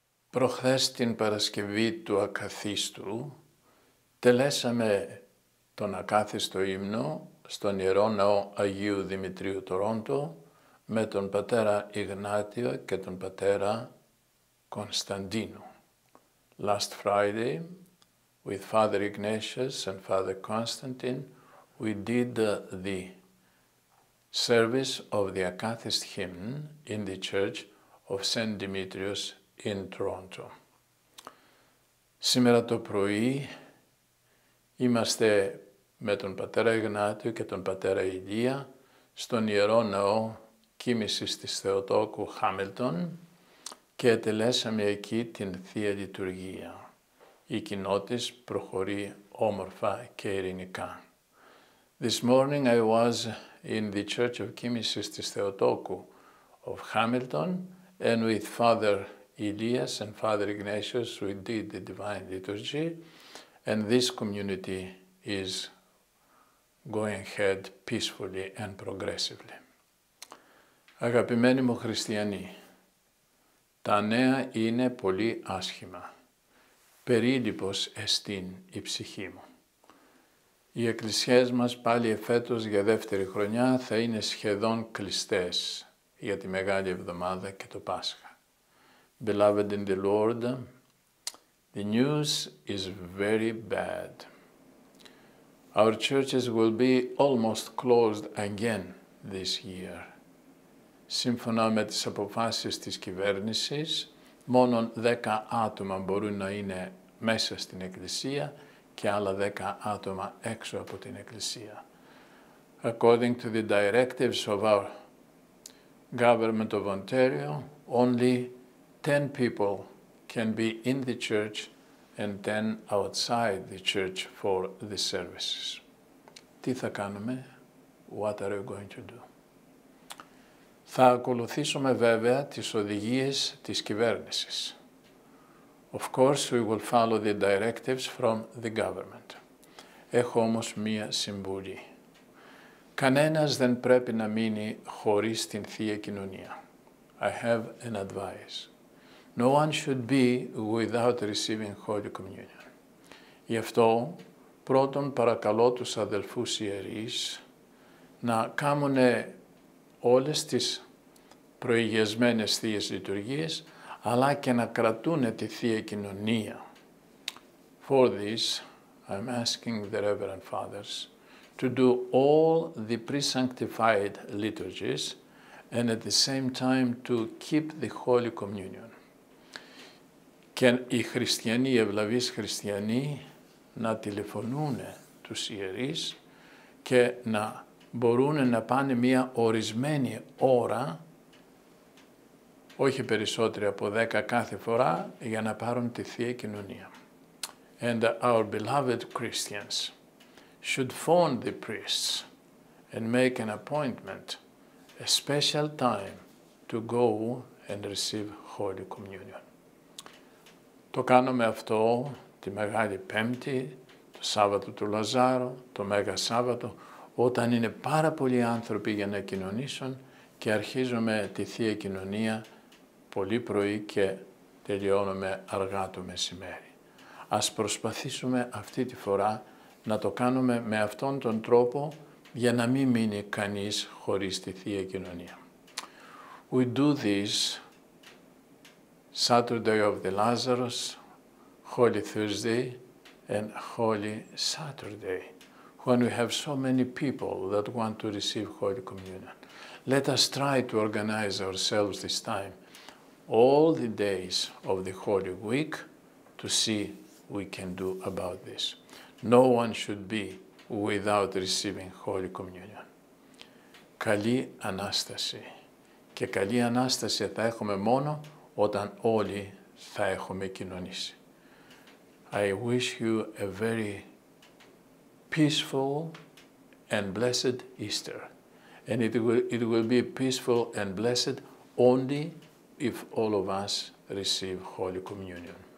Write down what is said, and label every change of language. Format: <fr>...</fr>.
<el>Προχθές την Παρασκευή του Ακαθίστου, τελέσαμε τον ακάθιστο ύμνο στον Ιερό Ναό Αγίου Δημητρίου Τορόντο με τον πατέρα Ιγνάτιο και τον πατέρα Κωνσταντίνο.</el> <en>Last Friday, with Father Ignatius and Father Constantine, we did the service of the ακάθιστο hymn in the Church of Saint Demetrius in Toronto.</en> <el>Σήμερα το πρωί είμαστε με τον πατέρα Ιγνάτιο και τον πατέρα Ηλία στον Ιερό Ναό Κοίμησης της Θεοτόκου Χάμιλτον και τελέσαμε εκεί την Θεία Λειτουργία. Η κοινότης προχωρεί όμορφα και ειρηνικά.</el> <en>This morning I was in the Church of Κοίμησης της Θεοτόκου of Χάμιλτον and with Father Ηλίας and Father Ignatius we did the Divine Liturgy. And this community is going ahead peacefully and progressively.</en> <el>Αγαπημένοι μου χριστιανοί, τα νέα είναι πολύ άσχημα. Περίλυπος εστίν η ψυχή μου. Οι εκκλησίες μας πάλι εφέτος για δεύτερη χρονιά θα είναι σχεδόν κλειστές για τη Μεγάλη Εβδομάδα και το Πάσχα.</el> <en>Beloved in the Lord, the news is very bad. Our churches will be almost closed again this year.</en> <el>Σύμφωνα με τις αποφάσεις της κυβέρνησης, μόνον 10 άτομα μπορούν να είναι μέσα στην Εκκλησία και άλλα 10 άτομα έξω από την Εκκλησία.</el> <en>According to the directives of our government of Ontario, only 10 people can be in the church and 10 outside the church for the services.</en> <el>Τι θα κάνουμε?</el> <en>What are we going to do?</en> <el>Θα ακολουθήσουμε βέβαια τις οδηγίες της κυβέρνησης.</el> <en>Of course, we will follow the directives from the government.</en> <el>Έχω όμως μία συμβουλή. Κανένας δεν πρέπει να μείνει χωρίς την Θεία Κοινωνία.</el> <en>I have an advice. No one should be without receiving Holy Communion.</en> <el>Γι' αυτό, πρώτον παρακαλώ τους αδελφούς ιερείς να κάνουν όλες τις προηγιασμένες θείες λειτουργίες, αλλά και να κρατούν τη Θεία Κοινωνία.</el> <en>For this, I'm asking the Reverend Fathers to do all the pre-sanctified liturgies and at the same time to keep the Holy Communion.</en> <el>Και οι χριστιανοί, οι ευλαβείς χριστιανοί, να τηλεφωνούν τους ιερείς και να μπορούν να πάνε μία ορισμένη ώρα, όχι περισσότερη από 10 κάθε φορά, για να πάρουν τη Θεία Κοινωνία.</el> <en>And our beloved Christians should phone the priests and make an appointment, a special time to go and receive Holy Communion.</en> <el>Το κάνουμε αυτό τη Μεγάλη Πέμπτη, το Σάββατο του Λαζάρου, το Μέγα Σάββατο, όταν είναι πάρα πολλοί άνθρωποι για να κοινωνήσουν και αρχίζουμε τη Θεία Κοινωνία πολύ πρωί και τελειώνουμε αργά το μεσημέρι. Ας προσπαθήσουμε αυτή τη φορά να το κάνουμε με αυτόν τον τρόπο για να μην μείνει κανείς χωρίς τη Θεία Κοινωνία.</el> <en>We do this Saturday of the Lazarus, Holy Thursday and Holy Saturday, when we have so many people that want to receive Holy Communion. Let us try to organize ourselves this time, all the days of the Holy Week, to see what we can do about this. No one should be without receiving Holy Communion.</en> <el>Καλή Ανάσταση. Και καλή Ανάσταση θα έχουμε μόνο όταν όλοι θα έχουμε κοινωνήσει.</el> <en>I wish you a very peaceful and blessed Easter. And it will be peaceful and blessed only if all of us receive Holy Communion.</en>